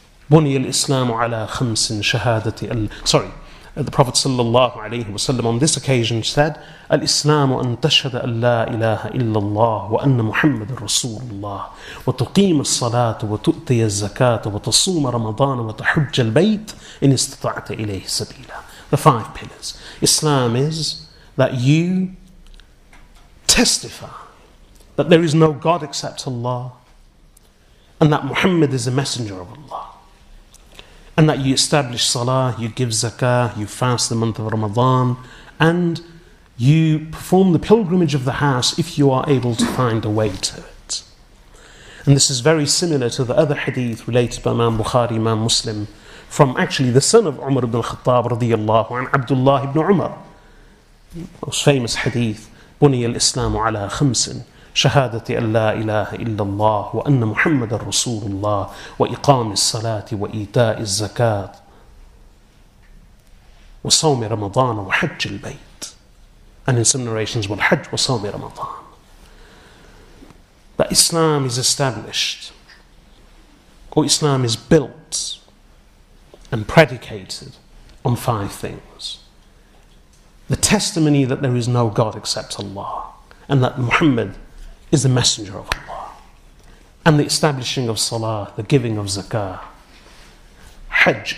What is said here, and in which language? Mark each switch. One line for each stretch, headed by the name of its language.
Arabic: بني الإسلام على خمس شهادة
English: sorry, the Prophet sallallahu alaihi wasallam on this occasion said,
Arabic: الإسلام أن تشهد أن لا إله إلا الله وأن محمد رسول الله وتقيم الصلاة وتؤتي الزكاة وتصوم رمضان وتحج البيت إن استطعت إليه سبيلا.
English: The five pillars. Islam is that you testify that there is no God except Allah, and that Muhammad is a messenger of Allah, and that you establish salah, you give zakah, you fast the month of Ramadan, and you perform the pilgrimage of the house if you are able to find a way to it. And this is very similar to the other hadith related by Imam Bukhari, Imam Muslim, from actually the son of Umar ibn al-Khattab radiyallahu an Abdullah ibn Umar. Most famous hadith, Buni al-Islamu ala khamsin.
Arabic: شهادة أن لا إله إلا الله وأن محمد رسول الله وإقام الصلاة وإيتاء الزكاة وصوم رمضان وحج البيت.
English: And in some narrations,
Arabic: والحج وصوم رمضان.
English: But Islam is established, or Islam is built and predicated on five things. The testimony that there is no God except Allah, and that Muhammad is the messenger of Allah, and the establishing of salah, the giving of zakah, Hajj.